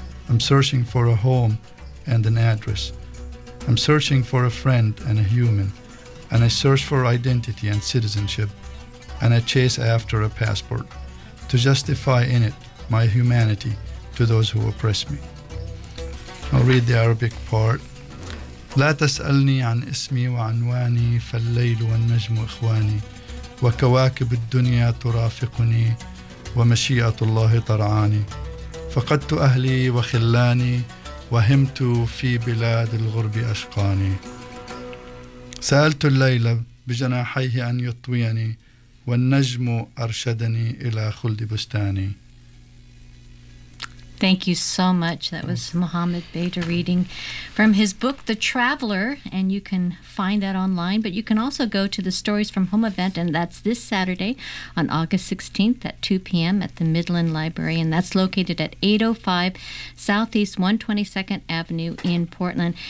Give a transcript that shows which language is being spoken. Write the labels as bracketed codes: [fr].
[en] I'm searching for a home and an address. I'm searching for a friend and a human, and I search for identity and citizenship, and I chase after a passport to justify in it my humanity to those who oppress me. I'll read the Arabic part. [ar] لا تسألني عن اسمي وعنواني فالليل والنجم إخواني وكواكب الدنيا ترافقني ومشيئة الله ترعاني فقدت أهلي وخلاني وهمت في بلاد الغرب أشقاني سألت الليل بجناحيه أن يطويني والنجم أرشدني إلى خلد بستاني. [en] Thank you so much. That was Mohammed Beda reading from his book, The Traveler, and you can find that online. But you can also go to the Stories from Home event, and that's this Saturday on August 16th at 2 p.m. at the Midland Library, and that's located at 805 Southeast 122nd Avenue in Portland.